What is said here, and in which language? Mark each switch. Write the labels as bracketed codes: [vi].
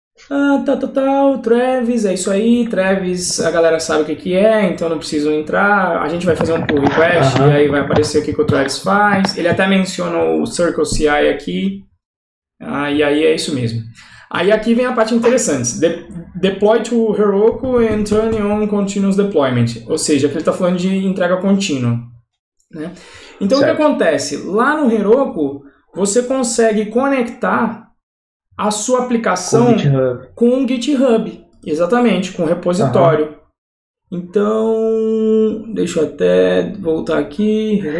[pt] O Travis, é isso aí. Travis, a galera sabe o que é, então não precisam entrar. A gente vai fazer um pull request e aí vai aparecer o que o Travis faz. Ele até menciona o CircleCI aqui. E aí é isso mesmo. Aí aqui vem a parte interessante. [en] Deploy to Heroku and turn on continuous deployment. [pt] Ou seja, aqui ele está falando de entrega contínua. Né? Então, certo. O que acontece? Lá no Heroku, você consegue conectar a sua aplicação com o GitHub. Exatamente, com o repositório. Então, deixa eu até voltar aqui.